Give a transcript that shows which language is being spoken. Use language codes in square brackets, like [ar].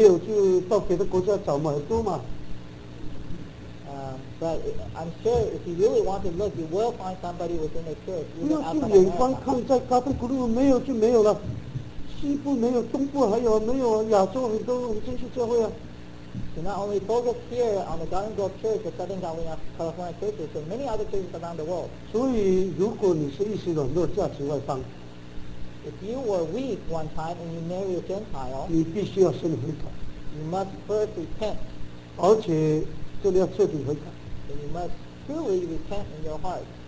[zh] 但是教会真的也是很多人可以嫁娶啊，弟兄姐妹。美国没有就到别的国家找嘛，很多嘛。 [en] But I'm sure if you really want to look, you will find somebody within the church. [zh] 不要去眼光看在加布古鲁，没有就没有了。西部没有，东部还有没有？亚洲很多，我们进去教会啊。 [en] You not only focus here on the Garden Grove Church, the Southern California churches, but many other churches around the world. [zh] 所以，如果你是一时软弱，嫁娶外邦。 [en] If you were weak one time and you marry a Gentile, [zh] 你必须要先悔改。 [en] You must first repent. [zh] 而且，这里要彻底悔改。 [en] And you must truly repent in your heart.